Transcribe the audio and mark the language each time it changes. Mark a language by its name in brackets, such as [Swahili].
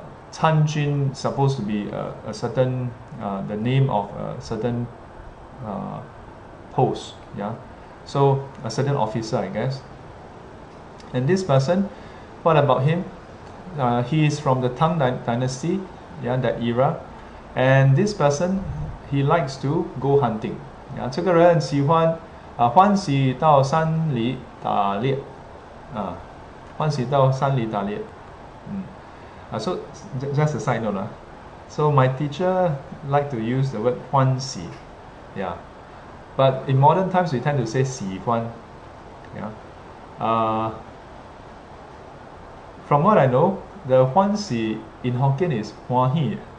[English] 参军 supposed to be a certain the name of a certain post, yeah, so a certain officer, I guess. And this person, what about him? He is from the Tang Dynasty, yeah, that era. And this person, he likes to go hunting. [Chinese] Yeah, 这个人喜欢, 欢喜到山里打猎, 欢喜到山里打猎. [English] So just a side note. So my teacher liked to use the word 欢喜. Yeah. But in modern times, we tend to say 喜欢.Yeah. From what I know, the 欢喜 in Hokkien is 欢喜.